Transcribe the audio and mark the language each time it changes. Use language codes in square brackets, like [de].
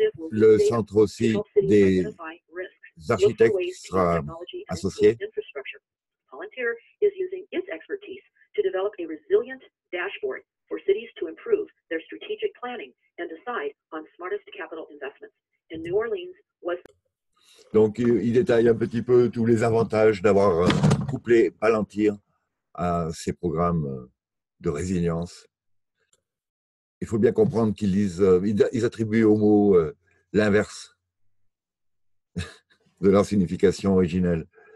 [fr] Le centre aussi des architectes sera associé. [en] Palantir is using its expertise to develop a resilient dashboard for cities to improve their strategic planning and decide on smartest capital investments. In New Orleans was. [fr] Donc, il détaille un petit peu tous les avantages d'avoir couplé Palantir à ces programmes de résilience. Il faut bien comprendre qu'ils disent, ils attribuent au mot l'inverse de leur signification originelle.